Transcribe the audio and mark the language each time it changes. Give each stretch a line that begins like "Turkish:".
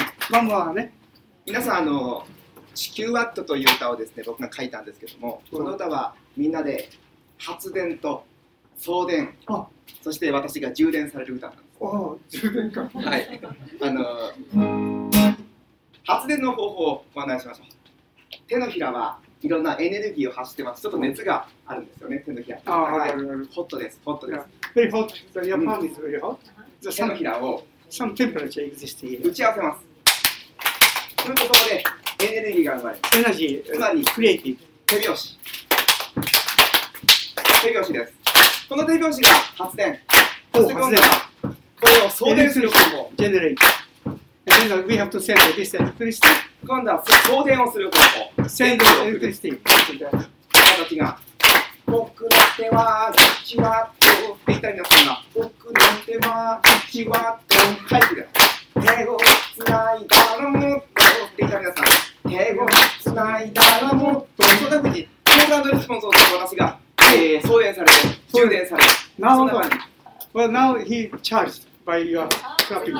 Japanese: マムはね、皆さんあの地球ワットという歌をですね、僕が書いたんですけども、この歌はみんなで発電と送電、そして私が充電される歌なんです。ああ、充電か。はい、あの発電の方法をご案内しましょう。手のひらはいろんなエネルギーを発してます。ちょっと熱があるんですよね、手のひら。ああ、はい、ホットです、ホットです。
English: Very hot, so your palm is very hot.
Japanese: 手のひらを
English: Some temperature exists here.
Japanese: 打ち合わせます。そのところでエネルギーが生まれる。
English: エナジー、
Japanese: つまり
English: クリエイティブ。
Japanese: 手拍子、手拍子です。この手拍子が発電。そして今度はこれを送電する方法。
English: ジェネレイト。 And then we have to send this electricity.
Japanese: 今度は送電をする方法。
English: Send electricity.
Japanese: 形が僕の手は1ワットって言いたいんだ。そんな僕の手は1ワット入ってる。手をつないだらもっとって言いたい皆さん。手をつないだらもっと。そんな風にコールアンドレスポンスをする私が、送電されて充電されて。そんな風に
English: Well, now he charged by your clapping.